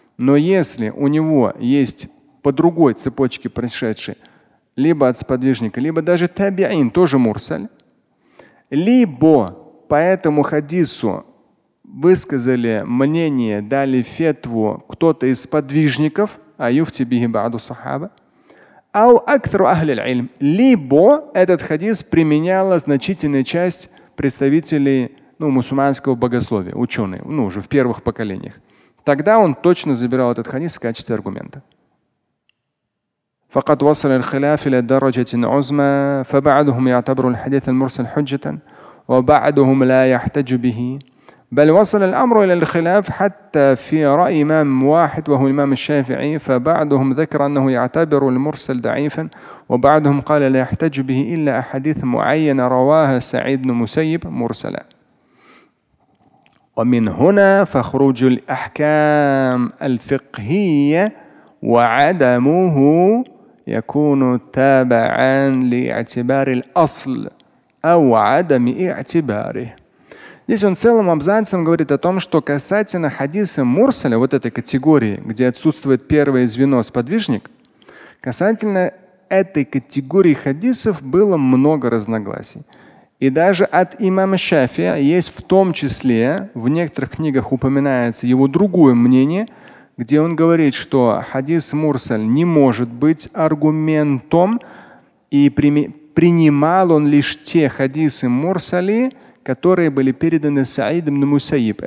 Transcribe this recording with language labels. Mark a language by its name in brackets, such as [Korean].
[Russian] Но если у него есть по другой цепочке пришедший, либо от сподвижника, либо даже табиин, тоже мурсаль, либо по этому хадису высказали мнение, дали фетву кто-то из сподвижников, [Arabic] а юфти бихи баду сахаба, ау актру ахлиль ильм, [Russian] либо этот хадис применяла значительная часть представителей, ну, мусульманского богословия, ученые, ну, уже в первых поколениях. Тогда он точно забирал этот хадис в качестве аргумента. [Arabic] فقد وصل الخلاف الى درجة عظمى فبعضهم يعتبر الحديث المرسل حجة وبعضهم لا يحتج به بل وصل الامر الى الخلاف حتى في راي امام واحد وهو الامام الشافعي فبعضهم ذكر انه يعتبر المرسل ضعيفا وبعضهم قال لا يحتج به الا احاديث معينه رواها سعيد بن مسيب مرسلا ومن هنا فخروج الأحكام الفقهية وعدمه يكون تابعا لاعتبار الأصل أو عدم اعتباره. [Russian] Здесь он целым абзацем говорит о том, что касательно хадиса мурсаля, вот этой категории, где отсутствует первое звено сподвижник, касательно этой категории хадисов было много разногласий. И даже от имама Шафия есть в том числе, в некоторых книгах упоминается его другое мнение, где он говорит, что хадис мурсаль не может быть аргументом, и принимал он лишь те хадисы мурсали, которые были переданы Саид ибн Мусаиб.